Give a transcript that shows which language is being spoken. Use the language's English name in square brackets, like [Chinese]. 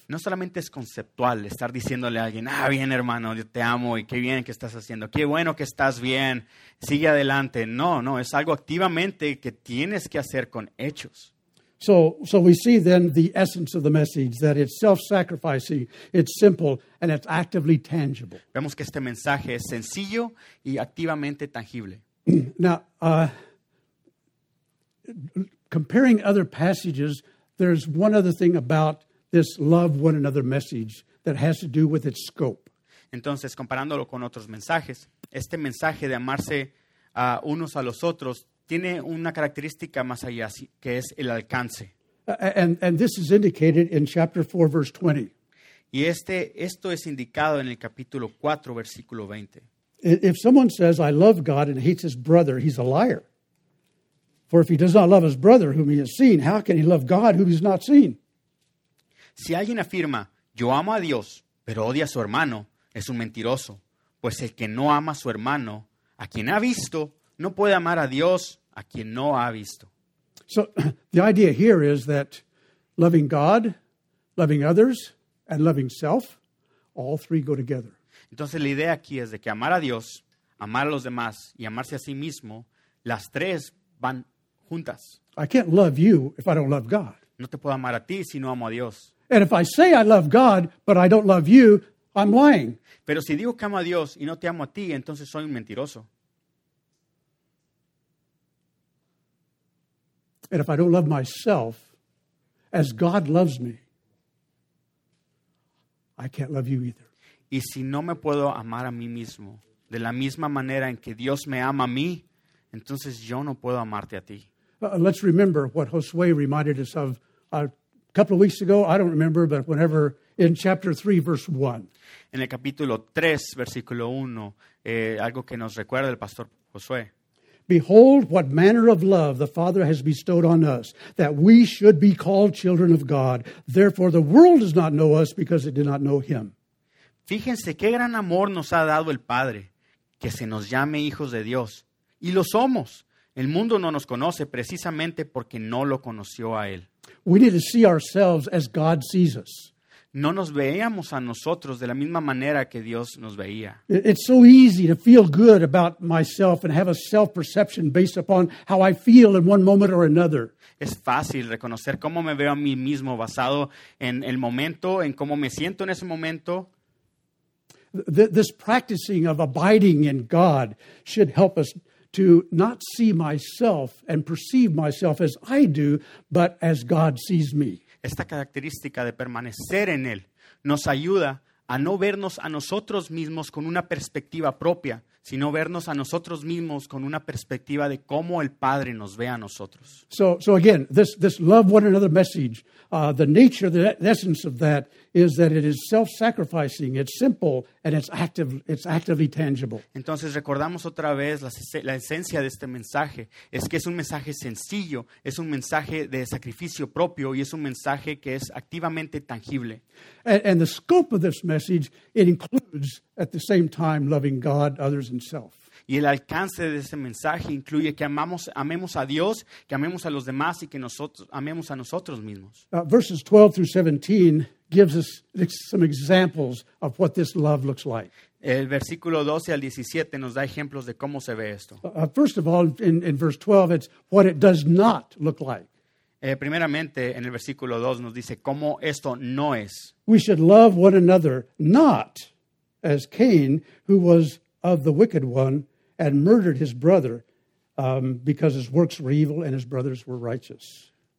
[Spanish] No solamente es conceptual estar diciéndole a alguien, ah, bien, hermano, yo te amo y qué bien que estás haciendo. Qué bueno que estás bien. Sigue adelante. No, es algo activamente que tienes que hacer con hechos. [English] So we see then the essence of the message, that it's self-sacrificing, it's simple, and it's actively tangible. [Spanish] Vemos que este mensaje es sencillo y activamente tangible. [English] Now, comparing other passages, there's one other thing about this love one another message that has to do with its scope. [Spanish] Entonces, comparándolo con otros mensajes, este mensaje de amarse unos a los otros tiene una característica más allá, que es el alcance. [English] And this is indicated in chapter 4, verse 20. [Spanish] Y esto es indicado en el capítulo 4, versículo 20. [English] If someone says, I love God and hates his brother, he's a liar. For if he does not love his brother whom he has seen, how can he love God whom he's not seen? [Spanish] Si alguien afirma, yo amo a Dios, pero odia a su hermano, es un mentiroso. Pues el que no ama a su hermano, a quien ha visto, no puede amar a Dios a quien no ha visto. [English] So the idea here is that loving God, loving others, and loving self, all three go together. [Spanish] Entonces la idea aquí es de que amar a Dios, amar a los demás y amarse a sí mismo, las tres van juntas. [English] I can't love you if I don't love God. [Spanish] No te puedo amar a ti si no amo a Dios. [English] And if I say I love God but I don't love you, I'm lying. [Spanish] Pero si digo que amo a Dios y no te amo a ti, entonces soy un mentiroso. [English] And if I don't love myself as God loves me, I can't love you either. [Spanish] Y si no me puedo amar a mí mismo de la misma manera en que Dios me ama a mí, entonces yo no puedo amarte a ti. [English] Let's remember what Josué reminded us of a couple of weeks ago. I don't remember, but whenever in chapter 3, verse 1. [Spanish] En el capítulo 3, versículo 1, algo que nos recuerda el pastor Josué. [English] Behold what manner of love the Father has bestowed on us, that we should be called children of God. Therefore the world does not know us because it did not know him. [Spanish] Fíjense qué gran amor nos ha dado el Padre, que se nos llame hijos de Dios. Y lo somos. El mundo no nos conoce precisamente porque no lo conoció a él. [English] We need to see ourselves as God sees us. [Spanish] No nos veíamos a nosotros de la misma manera que Dios nos veía. [English] It's so easy to feel good about myself and have a self-perception based upon how I feel in one moment or another. [Spanish] Es fácil reconocer cómo me veo a mí mismo basado en el momento, en cómo me siento en ese momento. [English] This practicing of abiding in God should help us to not see myself and perceive myself as I do, but as God sees me. [Spanish] Esta característica de permanecer en Él nos ayuda a no vernos a nosotros mismos con una perspectiva propia, sino vernos a nosotros mismos con una perspectiva de cómo el Padre nos ve a nosotros. [English] So again, this love one another message, the nature, the essence of that is that it is self-sacrificing, it's simple, and it's actively tangible. [Spanish] Entonces recordamos otra vez la esencia de este mensaje, es que es un mensaje sencillo, es un mensaje de sacrificio propio y es un mensaje que es activamente tangible. [English] And the scope of this message, it includes at the same time loving God, others, and self. [Spanish] Y el alcance de ese mensaje incluye que amemos a Dios, que amemos a los demás y que nosotros amemos a nosotros mismos. [English] Verses 12 through 17 gives us some examples of what this love looks like. [Spanish] El versículo 12 al 17 nos da ejemplos de cómo se ve esto. [English] First of all, in verse 12, it's what it does not look like. [Spanish] Primeramente, en el versículo 2 nos dice cómo esto no es. [English] We should love one another, not as Cain, who was of the wicked one and murdered his brother because his works were evil and his brothers were righteous.